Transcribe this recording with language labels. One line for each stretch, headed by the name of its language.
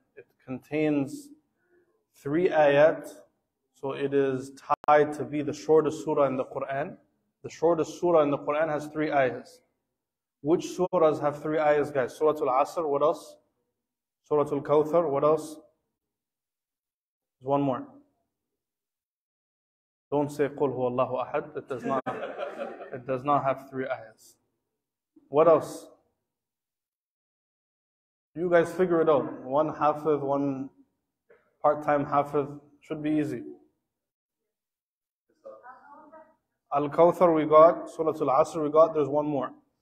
English: It contains three ayat, so it is tied to be the shortest surah in the Quran. The shortest surah in the Quran has three ayahs. Which surahs have three ayahs, guys? Surah Al-Asr, what else? Surah Al-Kawthar, what else? There's one more. Don't say
Arabic: قُلْ هُوَ اللَّهُ أَحَدْ.
English: It does not have three ayahs. What else? You guys figure it out. One hafiz, one part-time hafiz. Should be easy. Al-Kawthar we got. Surah Al-Asr we got. There's one more.